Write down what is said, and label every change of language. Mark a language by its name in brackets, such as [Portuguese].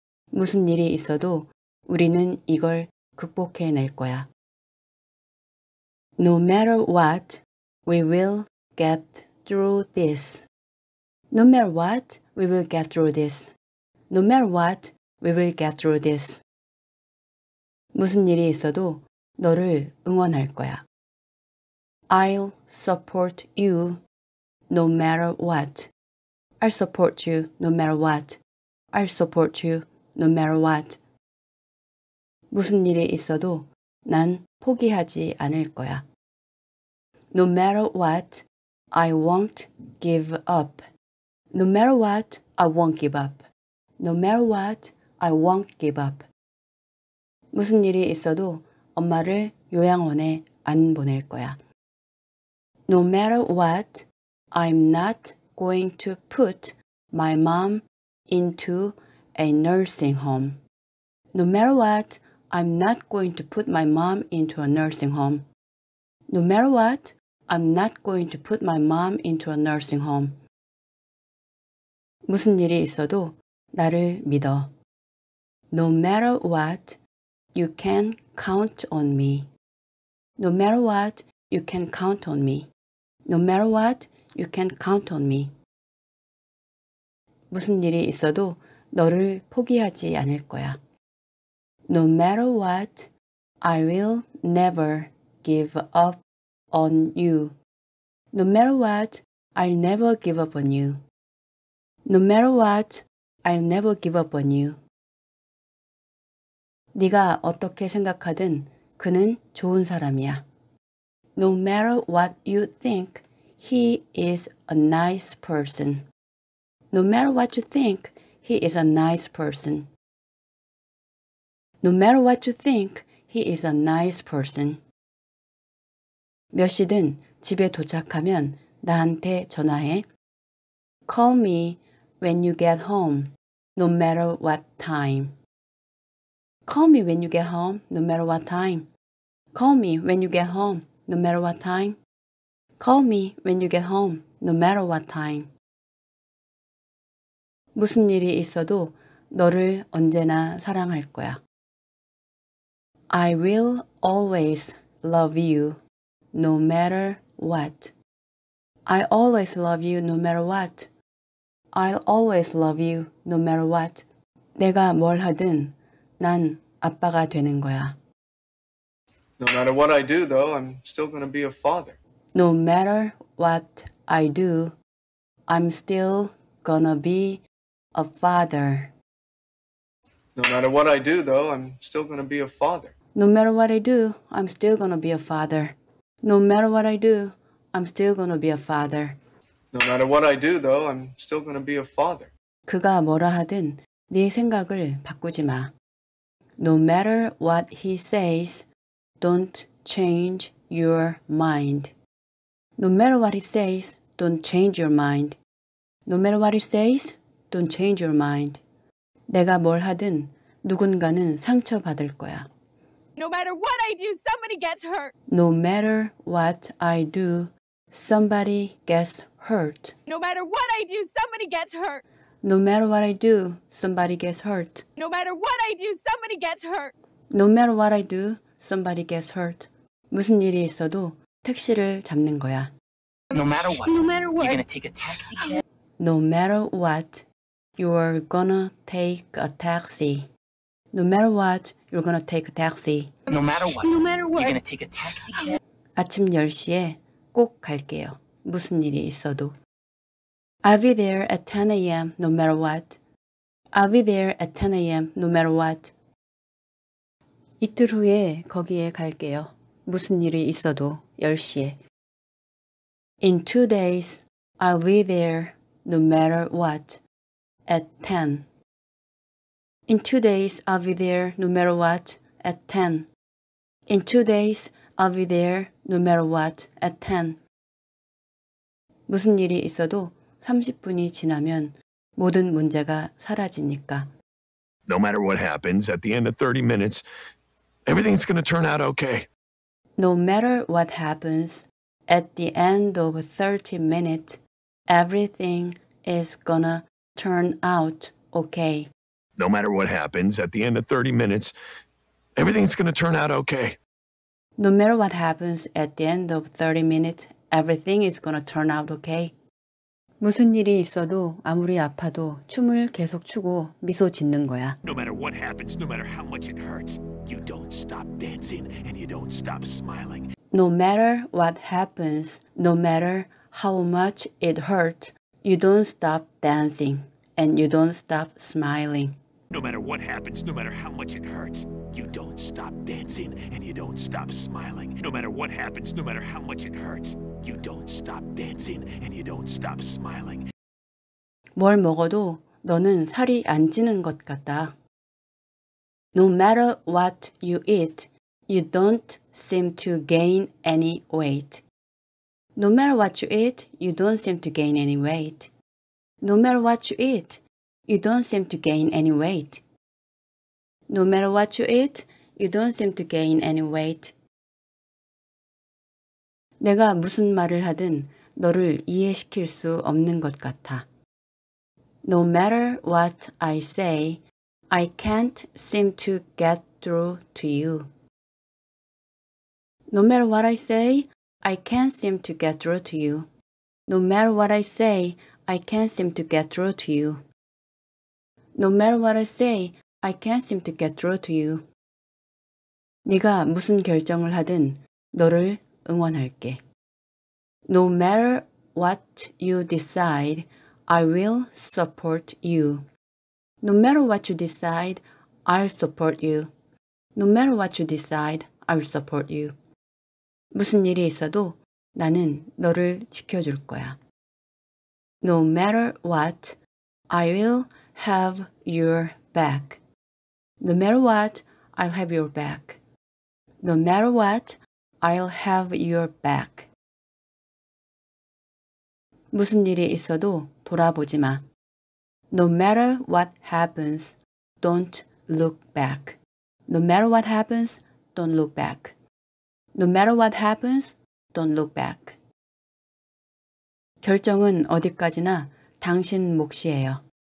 [Korean] 무슨 일이 있어도 우리는 이걸 극복해낼 거야. [English] No matter what, we will get through this. No matter what, we will get through this. No matter what, we will get through this. [Korean] 무슨 일이 있어도 너를 응원할 거야. [English] I'll support you no matter what. I'll support you no matter what. I'll support you no matter what. [Korean] 무슨 일이 있어도 난 포기하지 않을 거야. [English] No matter what, I won't give up. No matter what, I won't give up. No matter what, I won't give up. [Korean] 무슨 일이 있어도 엄마를 요양원에 안 보낼 거야. [English] No matter what, I'm not going to put my mom into a nursing home. No matter what, I'm not going to put my mom into a nursing home. No matter what, I'm not going to put my mom into a nursing home. [Korean] 무슨 일이 있어도 나를 믿어. [English] No matter what, you can count on me. No matter what, you can count on me. No matter what, you can count on me. [Korean] 무슨 일이 있어도 너를 포기하지 않을 거야. [English] No matter what, I will never give up on you. No matter what, I'll never give up on you. No matter what, I'll never give up on you. [Korean] 네가 어떻게 생각하든 그는 좋은 사람이야. [English] No matter what you think, he is a nice person. No matter what you think, he is a nice person. No matter what you think, he is a nice person. [Korean] 몇 시든 집에 도착하면 나한테 전화해. [English] Call me when you get home, no matter what time. Call me when you get home, no matter what time. Call me when you get home, no matter what time. Call me when you get home, no matter what time. [Korean] 무슨 일이 있어도 너를 언제나 사랑할 거야. [English] I will always love you, no matter what. I always love you, no matter what. I'll always love you, no matter what. [Korean] 내가 뭘 하든 난 아빠가 되는 거야. [English] No matter what I do, though, I'm still going to be a father. No matter what I do, I'm still going to be a father. No matter what I do, though, I'm still going to be a father. No matter what I do, I'm still going to be a father. No matter what I do, I'm still going to be a father. No matter what I do, though, I'm still going to be a father. [Korean] 그가 뭐라 하든 네 생각을 바꾸지 마. [English] No matter what he says, don't change your mind. No matter what he says, don't change your mind. No matter what he says, don't change your mind. [Korean] 내가 뭘 하든 누군가는 상처받을 거야. [English] No matter what I do, somebody gets hurt. No matter what I do, somebody gets hurt. No matter what I do, somebody gets hurt. No matter what I do, somebody gets hurt. No matter what I do, somebody gets hurt. No matter what I do, somebody gets hurt. [Korean] 무슨 일이 있어도 택시를 잡는 거야. [English] No matter what. No matter what. You're gonna take a taxi. No matter what, you're gonna take a taxi. No matter what, you're gonna take a taxi. No matter what. No matter what. You're gonna take a taxi. [Korean] 아침 10시에 꼭 갈게요. 무슨 일이 있어도. [English] I'll be there at 10 a.m. no matter what. I'll be there at 10 a.m. no matter what. [Korean] 이틀 후에 거기에 갈게요. 무슨 일이 있어도 10시에. [English] In 2 days, I'll be there no matter what at 10. In 2 days, I'll be there no matter what at 10. In 2 days, I'll be there no matter what at 10. [Korean] 무슨 일이 있어도 30분이 지나면 모든 문제가 사라지니까. [English] No matter what happens, at the end of 30 minutes, everything's gonna turn out okay. No matter what happens, at the end of 30 minutes, everything is gonna turn out okay. No matter what happens, at the end of 30 minutes, everything's gonna turn out okay. No matter what happens, at the end of 30 minutes, everything is gonna turn out okay. [Korean] 무슨 일이 있어도 아무리 아파도 춤을 계속 추고 미소 짓는 거야. [English] No matter what happens, no matter how much it hurts, you don't stop dancing and you don't stop smiling. No matter what happens, no matter how much it hurts, you don't stop dancing and you don't stop smiling. No matter what happens, no matter how much it hurts, you don't stop dancing and you don't stop smiling. No matter what happens, no matter how much it hurts, you don't stop dancing and you don't stop smiling. [Korean] 뭘 먹어도 너는 살이 안 찌는 것 같다. [English] No matter what you eat, you don't seem to gain any weight. No matter what you eat, you don't seem to gain any weight. No matter what you eat, you don't seem to gain any weight. No matter what you eat, you don't seem to gain any weight. [Korean] 내가 무슨 말을 하든 너를 이해시킬 수 없는 것 같아. [English] No matter what I say, I can't seem to get through to you. No matter what I say, I can't seem to get through to you. No matter what I say, I can't seem to get through to you. No matter what I say, I can't seem to get through to you. [Korean] 네가 무슨 결정을 하든 너를 응원할게. [English] No matter what you decide, I will support you. No matter what you decide, I'll support you. No matter what you decide, I'll support you. [Korean] 무슨 일이 있어도 나는 너를 지켜줄 거야. [English] No matter what, I will have your back. No matter what, I'll have your back. No matter what, I'll have your back. [Korean] 무슨 일이 있어도 돌아보지 마. [English] No matter what happens, don't look back. No matter what happens, don't look back. No matter what happens, don't look back. [Korean] 결정은 어디까지나 당신 몫이에요.